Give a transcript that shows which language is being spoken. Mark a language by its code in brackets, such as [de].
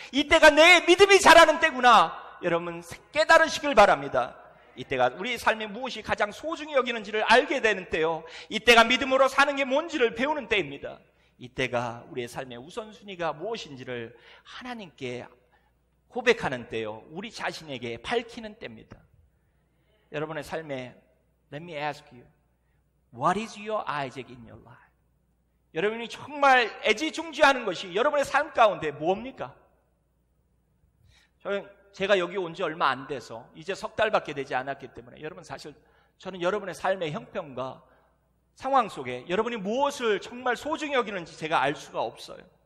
[ko] 이때가 내 믿음이 자라는 때구나 여러분 깨달으시길 바랍니다. 이때가 우리 삶에 무엇이 가장 소중히 여기는지를 알게 되는 때요. 이때가 믿음으로 사는 게 뭔지를 배우는 때입니다. 이때가 우리의 삶의 우선순위가 무엇인지를 하나님께 고백하는 때요. 우리 자신에게 밝히는 때입니다. 여러분의 삶에 [en] Let me ask you, what is your Isaac in your life? [ko] 여러분이 정말 애지중지하는 것이 여러분의 삶 가운데 뭡니까? 저는 제가 여기 온 지 얼마 안 돼서 이제 석 달밖에 되지 않았기 때문에 여러분 사실 저는 여러분의 삶의 형편과 상황 속에 여러분이 무엇을 정말 소중히 여기는지 제가 알 수가 없어요.